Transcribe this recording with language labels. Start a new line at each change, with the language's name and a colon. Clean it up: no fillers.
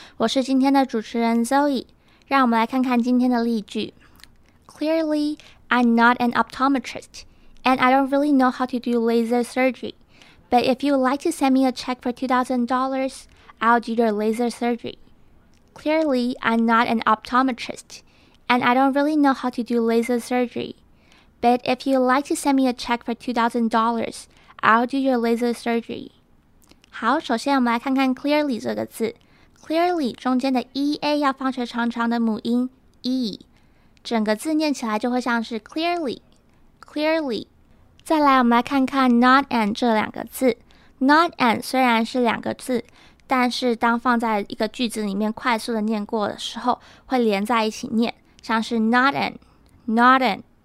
Chinese: 我是今天的主持人 Zoe。让我们来看看今天的例句。
English: Clearly, I'm not an optometrist, and I don't really know how to do laser surgery. But if you would like to send me a check for $2,000, I'll do your laser surgery. Clearly, I'm not an optometrist, and I don't really know how to do laser surgery. But if you would like to send me a check for $2,000, I'll do your laser surgery.
Chinese: 好，首先我们来看看 clearly 这个字。clearly 中间的 ea 要放成长长的母音 e， 整个字念起来就会像是 clearly， clearly。再来，我们来看看
English: not an
Chinese: 这两个字。not an 虽然是两个字，但是当放在一个句子里面快速的念过的时候，会连在一起念，像是 not an， not an。